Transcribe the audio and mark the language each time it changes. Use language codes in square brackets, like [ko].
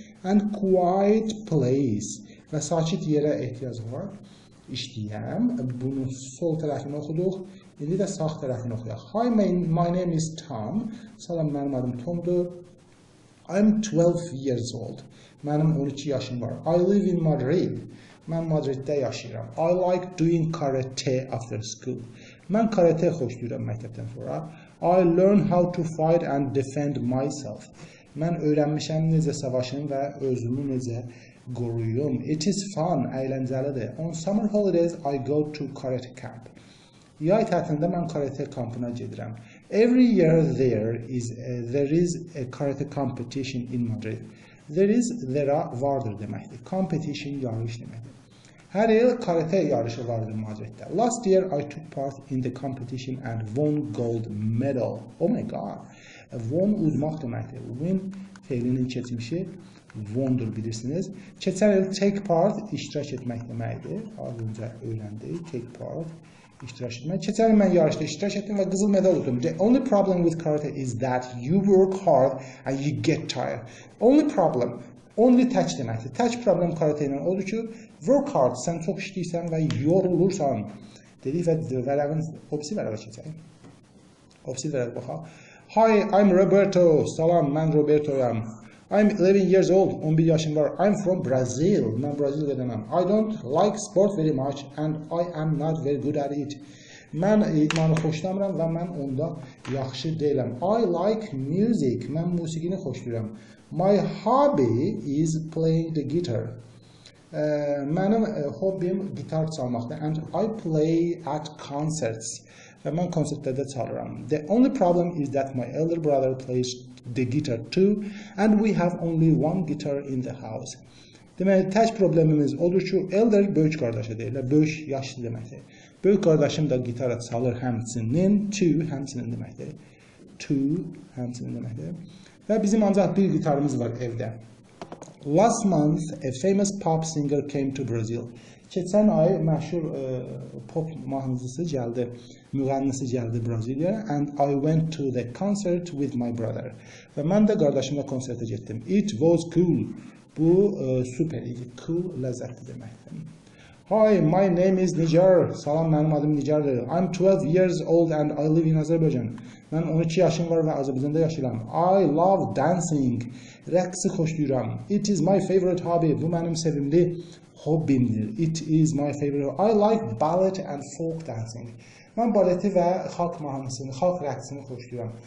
[en] And quiet place [az] və sakit yerə ehtiyacım var. İşləyəm. Bunun sol tərəfini oxuduq. İndi də sağ tərəfini oxuyaq. [en] Hi, my name is Tom. [az] Salam, mənim adım Tomdur. [en] I'm 12 years old. [az] Mənim 12 yaşım var. [en] I live in Madrid. [az] Mən Madriddə yaşayıram. [en] I like doing karate after school. [az] Mən karate xoşlayıram məktəbdən sonra. [en] I learn how to fight and defend myself. [az] Mən öyrənmişəm necə savaşım və özümü necə qoruyum. [en] It is fun, [az] əyləncəlidir. [en] On summer holidays, I go to karate camp. [az] Yay tətilində mən karate kampına gedirəm. [en] Every year there is a karate competition in Madrid. [az] There vardır deməkdir. Competition yarış deməkdir. Hər il karate yarışı vardır Madriddə. [en] Last year I took part in the competition and won gold medal. Oh my god. Won [az] udmaq deməkdir. Win fe'linin keçmişi won'dur bilirsiniz. Keçən il [en] take part [az] iştirak etmək deməkdir. Az öncə öyrəndik take part iştirak etmək. Keçən il mən yarışda iştirak etdim və qızıl medal aldım. [en] The only problem with karate is that you work hard and you get tired. Only problem. Only [az] tək deməkdir. Tək problem karate ilə odur ki, [en] work hard, [az] sən çox işləyirsən və yorulursan. Dedik vərəqin hopsi vərəqə keçək. Hopsi vərəqə baxaq. [en] Hi, I'm Roberto. [az] Salam, mən Roberto-yam. [en] I'm 11 years old. [az] 11 yaşım var. [en] I'm from Brazil. [az] Mən Brazilya'dayım. [en] I don't like sport very much and I am not very good at it. [az] Mən idmanı xoşlamıram və mən onda yaxşı deyiləm. [en] I like music. [az] Mən musiqini xoşlayıram. [en] My hobby is playing the guitar. [az] Mənim hobim gitar çalmaqdır. [en] And I play at concerts. [az] Və mən konsertlərdə çalıram. [en] The only problem is that my elder brother plays the guitar too and we have only one guitar in the house. [az] Deməli, tək problemimiz odur ki, elder böyük qardaşı deyirlər. Böyük yaşlı deməkdir. Böyük qardaşım da gitara çalır həmçinin. Two həmçinin deməkdir. Two həmçinin deməkdir. Və bizim ancaq bir gitarımız var evdə. [en] Last month, a famous pop singer came to Brazil. [az] Keçən ay məşhur pop mahnıcısı gəldi, müğənnisi gəldi Braziliyaya [en] and I went to the concert with my brother. [az] Və mən də qardaşımla konsertə getdim. [en] It was cool. [az] Bu super idi. Cool ləzzətli deməkdir. [en] Hi, my name is Nijar. [az] Salam, mənim adım Nijardır. [en] I'm 12 years old and I live in Azerbaijan. [az] Mən 12 yaşım var və Azərbaycanda yaşayıram. [en] I love dancing. [az] Rəqsi xoşlayıram. [en] It is my favorite hobby. [az] Bu mənim sevimli hobimdir. [en] It is my favorite. I like ballet and folk dancing. [az] Mən baleti və xalq mahnısını, xalq rəqsini xoşlayıram.